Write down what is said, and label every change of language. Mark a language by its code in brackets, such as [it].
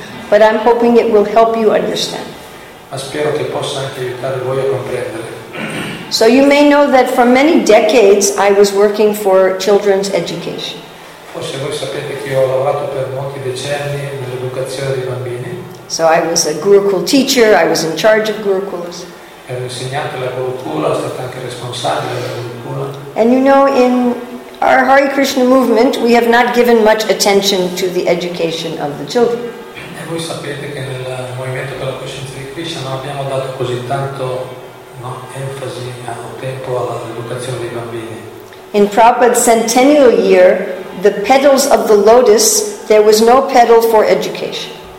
[en] But I'm hoping it will help you understand. [it] Ma spero che possa anche aiutare voi a comprendere. [en] So you may know that for many decades I was working for children's education. [it] Forse voi sapete che ho lavorato per molti decenni nell'educazione dei bambini. [en] So I was a Gurukul teacher, I was in charge of Gurukuls. [it] Ero insegnante alla Gurukula, sono stato anche responsabile della Gurukula. [en] And you know, in our Hare Krishna movement we have not given much attention to the education of the children. [it] E voi sapete che nel movimento per la coscienza non abbiamo dato così tanto, no, enfasi o tempo all'educazione dei bambini. [en] In Prabhupada's centennial year, the petals of the lotus, there was no petal for education.